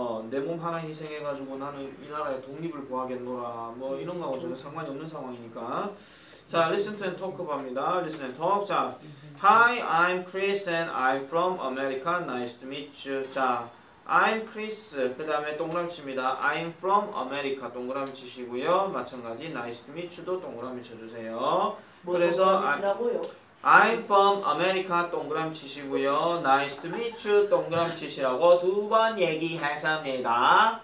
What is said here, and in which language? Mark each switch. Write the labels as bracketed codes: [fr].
[ko] 내 몸 하나 희생해가지고 나는 이 나라의 독립을 구하겠노라 뭐 이런 거하고 전혀 상관이 없는 상황이니까. [en] 자, listen to and talk [ko] 합니다. [en] listen and talk. 자, Hi, I'm Chris and I'm from America. Nice to meet you. 자, I'm Chris. [ko] 그 다음에 동그라미입니다. [en] I'm from America. [ko] 동그라미 치시고요. 마찬가지 [en] Nice to meet you [ko] 도 동그라미 쳐주세요. 뭐 그래서 동그라미치라고요? [en] I'm from America. [ko] 동그라미 치시고요. [en] Nice to meet you. [ko] 동그라미 치시라고 두 번 얘기했습니다.